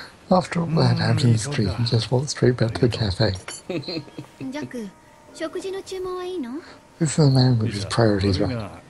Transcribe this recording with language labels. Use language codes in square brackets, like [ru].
[en] After all that, out in the street, he just walked straight back to the cafe. [ja] ジャック、食事の注文はいいの？ [en] This is a man with his priorities right.